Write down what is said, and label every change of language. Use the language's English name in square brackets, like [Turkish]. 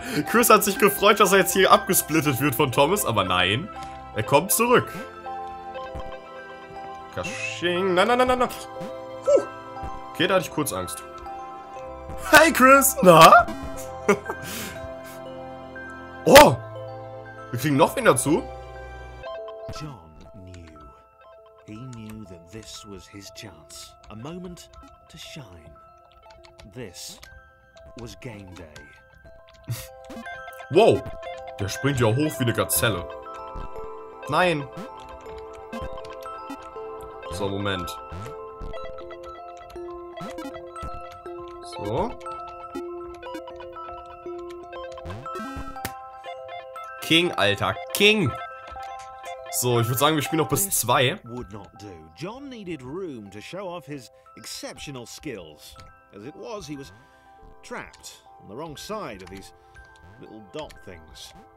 [German] Chris hat sich gefreut, dass er jetzt hier abgesplittet wird von Thomas, aber nein. Er kommt zurück. Kasching. Nein, nein, nein, nein, nein. Okay, da hatte ich kurz Angst. Hey, Chris. Na? Oh. Wir kriegen noch wen dazu. [English] John knew. He knew that this was his chance. A moment to shine. This was game day. Wow. [German] Der springt ja hoch wie eine Gazelle. Nein. So, Moment. So. King, Alter. King. So, ich würde sagen, wir spielen noch bis 2. [English] Would not do. John needed room to show off his exceptional skills. As it was, he was trapped on the wrong side of these little dot things.